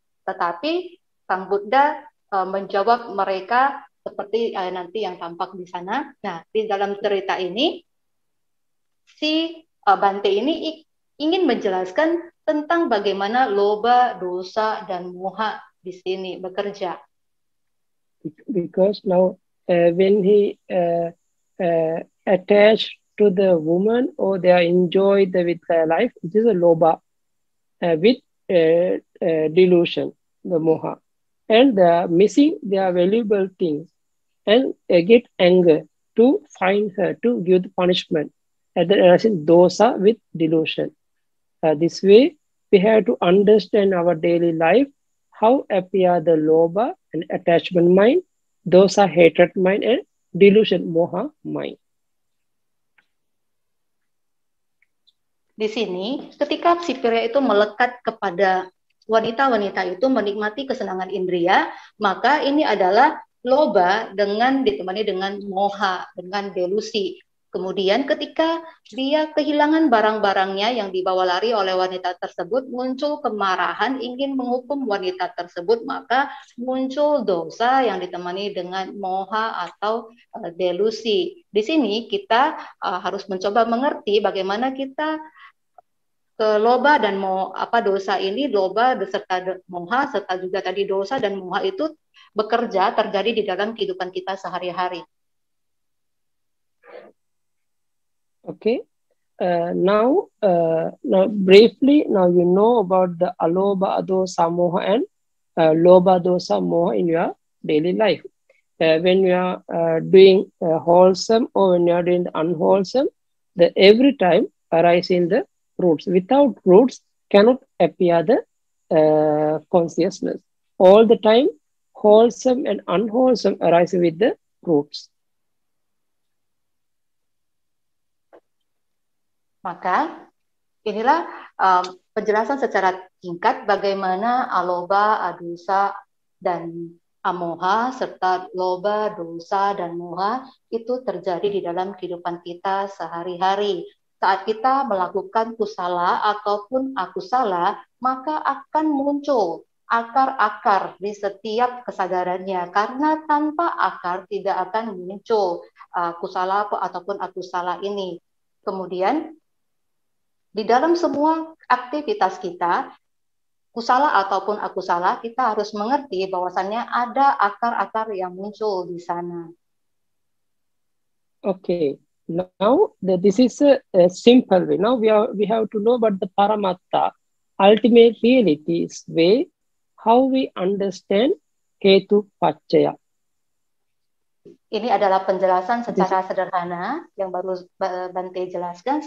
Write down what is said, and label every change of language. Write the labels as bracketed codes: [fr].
[id] Tetapi Sang Buddha menjawab mereka seperti nanti yang tampak di sana. Nah, di dalam cerita ini, si Bante ini ingin menjelaskan tentang bagaimana loba, dosa, dan moha di sini bekerja. [en] Because now when he attach to the woman or they are enjoy the with their life, it is a loba with delusion, the moha, and they are missing their valuable things, and they get anger to find her to give the punishment. And then as in dosa with delusion. This way we have to understand our daily life. How appear the loba and attachment mind, dosa hatred mind, and delusion moha mind. [id] Di sini, ketika si pria itu melekat kepada wanita-wanita itu menikmati kesenangan indria, maka ini adalah loba dengan ditemani dengan moha, dengan delusi. Kemudian ketika dia kehilangan barang-barangnya yang dibawa lari oleh wanita tersebut, muncul kemarahan ingin menghukum wanita tersebut, maka muncul dosa yang ditemani dengan moha atau delusi. Di sini kita harus mencoba mengerti bagaimana kita ke loba dan mau apa dosa ini, loba beserta moha serta juga tadi dosa dan moha itu bekerja terjadi di dalam kehidupan kita sehari-hari. [en] Okay, now briefly, now you know about the aloba, adosa, moha, and loba, dosa, moha in your daily life. When you are doing wholesome or when you are doing unwholesome, the every time arise in the roots. Without roots, cannot appear the consciousness. All the time, wholesome and unwholesome arise with the roots. [id] Maka inilah penjelasan secara singkat bagaimana aloba, adosa, dan amoha serta loba, dosa, dan moha itu terjadi di dalam kehidupan kita sehari-hari. Saat kita melakukan kusala ataupun akusala, maka akan muncul akar-akar di setiap kesadarannya, karena tanpa akar tidak akan muncul kusala ataupun akusala ini. Kemudian di dalam semua aktivitas kita, kusala ataupun akusala, kita harus mengerti bahwasannya ada akar-akar yang muncul di sana. [en] Okay, now this is a simple way. Now we have to know about the paramatta, ultimate realities way, how we understand ketu paccaya. [id] Ini adalah penjelasan secara sederhana yang baru Bante jelaskan.